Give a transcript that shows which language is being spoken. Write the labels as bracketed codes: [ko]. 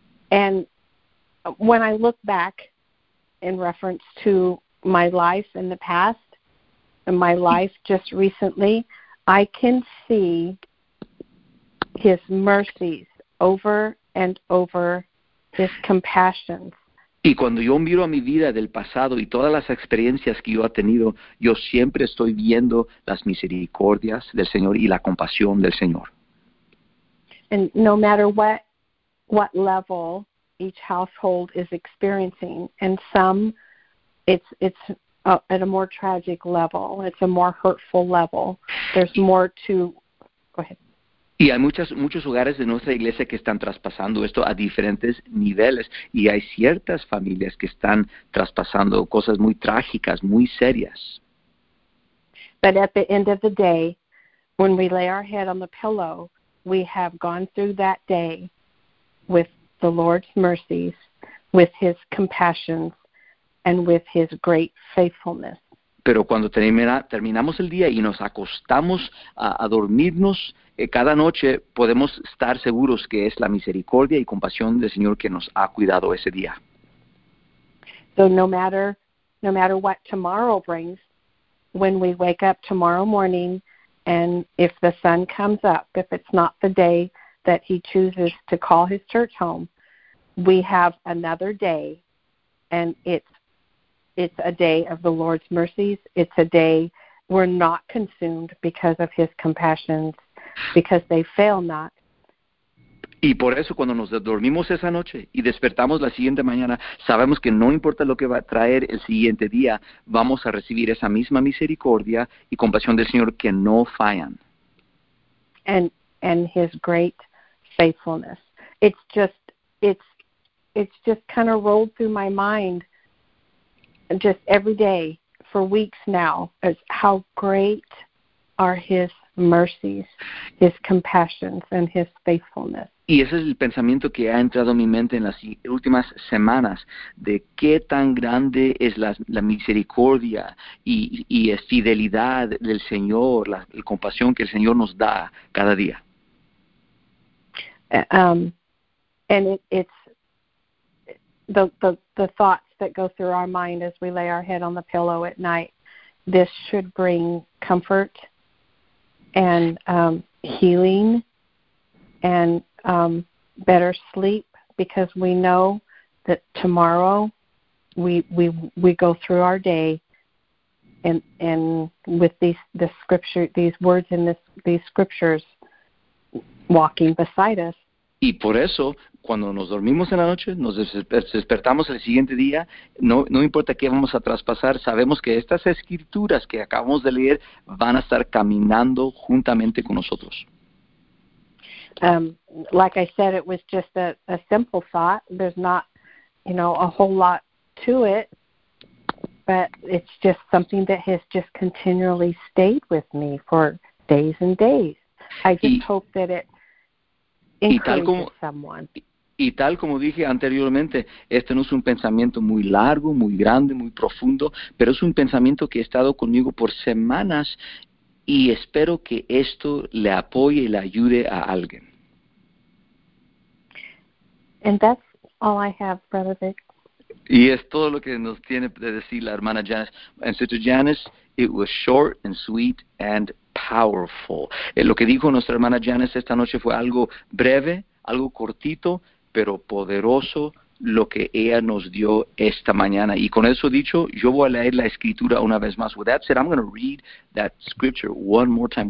[en] And when I look back in reference to my life in the past, and my life just recently, I can see his mercies over and over, his compassions. [es] Y cuando yo miro a mi vida del pasado y todas las experiencias que yo he tenido, yo siempre estoy viendo las misericordias del Señor y la compasión del Señor. [en] And no matter what level each household is experiencing, and some, it's at a more tragic level, it's a more hurtful level. There's more to, go ahead. [es] Y hay muchos hogares de nuestra iglesia que están traspasando esto a diferentes niveles, y hay ciertas familias que están traspasando cosas muy trágicas, muy serias. [en] But at the end of the day, when we lay our head on the pillow, we have gone through that day with the Lord's mercies, with his compassions, and with his great faithfulness. [es] Pero cuando terminamos el día y nos acostamos a dormirnos, cada noche podemos estar seguros que es la misericordia y compasión del Señor que nos ha cuidado ese día. [en] So no matter what tomorrow brings, when we wake up tomorrow morning, and if the sun comes up, if it's not the day that he chooses to call his church home, we have another day, and it's a day of the Lord's mercies. It's a day we're not consumed because of his compassions, because they fail not. [es] Y por eso cuando nos dormimos esa noche y despertamos la siguiente mañana, sabemos que no importa lo que va a traer el siguiente día, vamos a recibir esa misma misericordia y compasión del Señor que no fallan. [en] And his great faithfulness. It's just kind of rolled through my mind just every day for weeks now is how great are his mercies, his compassions, and his faithfulness. [es] Y ese es el pensamiento que ha entrado en mi mente en las últimas semanas, de qué tan grande es la misericordia y es fidelidad del Señor, la compasión que el Señor nos da cada día. [en] And it's the thoughts that go through our mind as we lay our head on the pillow at night. This should bring comfort and healing and better sleep, because we know that tomorrow we go through our day and with these scriptures walking beside us. [es] Y por eso, cuando nos dormimos en la noche, nos despertamos el siguiente día, no importa qué vamos a traspasar, sabemos que estas escrituras que acabamos de leer van a estar caminando juntamente con nosotros. [en] Like I said, it was just a simple thought. There's not, you know, a whole lot to it, but it's just something that has just continually stayed with me for days and days. I just hope that it [es] Y tal como dije anteriormente, este no es un pensamiento muy largo, muy grande, muy profundo, pero es un pensamiento que ha estado conmigo por semanas y espero que esto le apoye y le ayude a alguien. [en] And that's all I have, Brother Vic. [es] Y es todo lo que nos tiene de decir la hermana Janice. [en] And Sister Janice, it was short and sweet and powerful. [es] Lo que dijo nuestra hermana Janice esta noche fue algo breve, algo cortito, pero poderoso lo que ella nos dio esta mañana. Y con eso dicho, yo voy a leer la escritura una vez más. [en] With that said, I'm going to read that scripture one more time.